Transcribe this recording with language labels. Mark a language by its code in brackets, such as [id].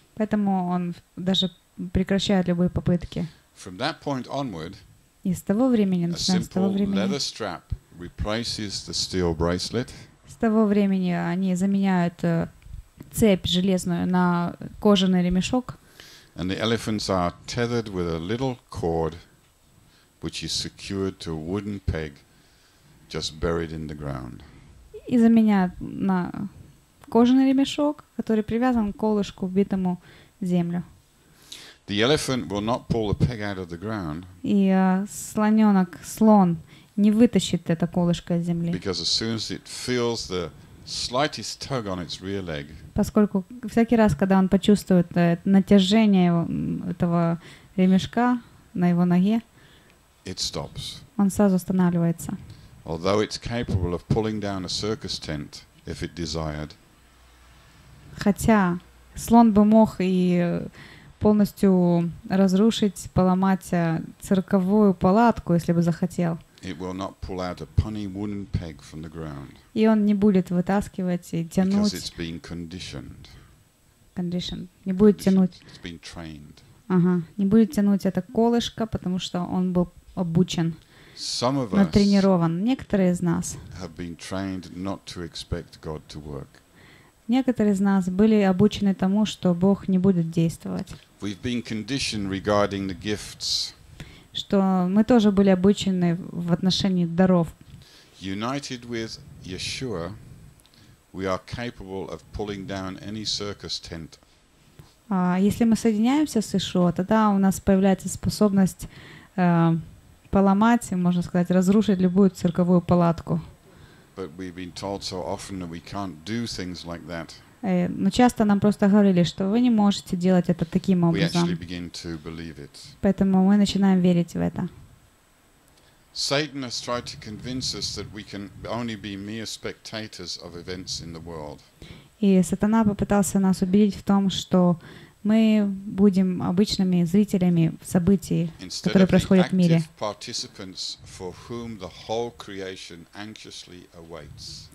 [ru] Поэтому он даже прекращает любые попытки. [en] From that point onward, [ru] и с того времени, начиная с того времени, [en] leather strap replaces the steel bracelet. [ru] С того времени они заменяют цепь железную на кожаный ремешок. [en] And the elephants are tethered with a little cord, which is secured to a wooden peg, just buried in the ground. [ru] И заменяют на кожаный ремешок, который привязан к колышку, вбитому в землю. [en] The elephant will not pull the peg out of the ground. [ru] И слоненок, слон, не вытащит это колышко из земли. [en] Because as soon as it feels the slightest tug on its rear leg. [ru] Поскольку всякий раз, когда он почувствует натяжение этого ремешка на его ноге, [en] it stops. [ru] Он сразу останавливается. [en] Although it's capable of pulling down a circus tent if it desired. [ru] Хотя слон бы мог и полностью разрушить, поломать цирковую палатку, если бы захотел. [en] It will not pull out a punny wooden peg from the ground. [ru] И он не будет вытаскивать и тянуть. [en] Because it's been conditioned. [ru] Conditioned. Не будет тянуть. [en] It's been trained. [ru] Ага. Не будет тянуть это колышко, потому что он был обучен. [en] Some of us. [ru] Натренирован. Некоторые из нас. [en] Have been trained not to expect God to work. [ru] Некоторые из нас были обучены тому, что Бог не будет действовать. [en] We've been conditioned regarding the gifts. [ru] Что мы тоже были обучены в отношении даров. [en] United with Yeshua, we are capable of pulling down any circus tent. [ru] Если мы соединяемся с Ишуа, тогда у нас появляется способность поломать, можно сказать, разрушить любую цирковую палатку. [en] But we've been told so often that we can't do things like that. [ru] Но часто нам просто говорили, что вы не можете делать это таким образом. Поэтому мы начинаем верить в это. [en] Satan has tried to convince us that we can only be mere spectators of events in the world. [ru] И сатана попытался нас убедить в том, что мы будем обычными зрителями в событии, которые происходят в мире. [en] Participants for whom the whole creation anxiously awaits.